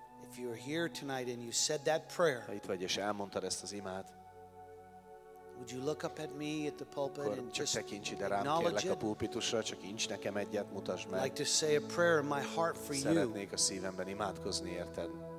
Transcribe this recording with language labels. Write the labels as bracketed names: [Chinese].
[English] If you're here tonight and you said that prayer, [Hungarian] ha itt vagy és elmondtad ezt az imád, [English] would you look up at me at the pulpit and just [Hungarian] tekints ide rám, kérlek a pulpitusra, csak incs nekem egyet, mutasd meg. [English] I'd like to say a prayer in my heart for you. [Hungarian] Szeretnék a szívemben imádkozni érted.